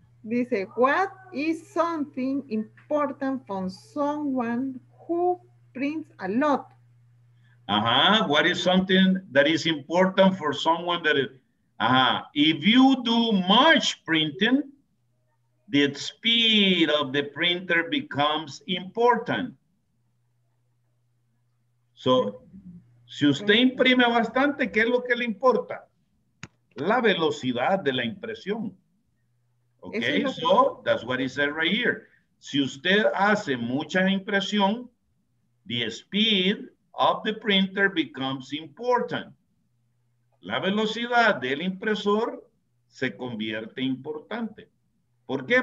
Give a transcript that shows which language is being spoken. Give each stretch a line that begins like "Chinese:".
English: Dice, what is something important from someone who prints a lot? What is something that is important for someone that is, if you do much printing, the speed of the printer becomes important.
Spanish: So, si usted imprime bastante, ¿qué es lo que le importa? La velocidad de la impresión.
English: Okay, so that's what it says right here.
Spanish: Si usted hace mucha impresión,
English: the speed of the printer becomes important.
Spanish: La velocidad del impresor se convierte importante. ¿Por qué?